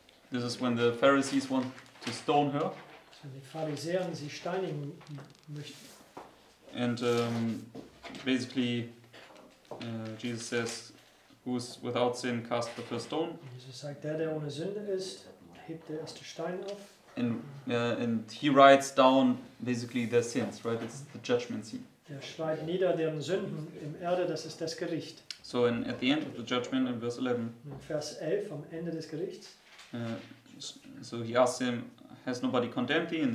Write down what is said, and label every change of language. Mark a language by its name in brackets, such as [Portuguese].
[English] This is when the Pharisees want to stone her. [German] Wenn die Pharisäer sie steinigen möchten. [English] And basically, Jesus says, "Who is without sin, cast the first stone." [German] Jesus sagt, der ohne Sünde ist, hebt der erste Stein auf. [English] And he writes down basically their sins, right? It's the judgment scene. [German] Der schreibt nieder deren Sünden im Erde. Das ist das Gericht. [English] So, in at the end of the judgment, in verse 11. [German] In Vers 11, am Ende des Gerichts. [English] So he asks him, "Has nobody condemned thee?"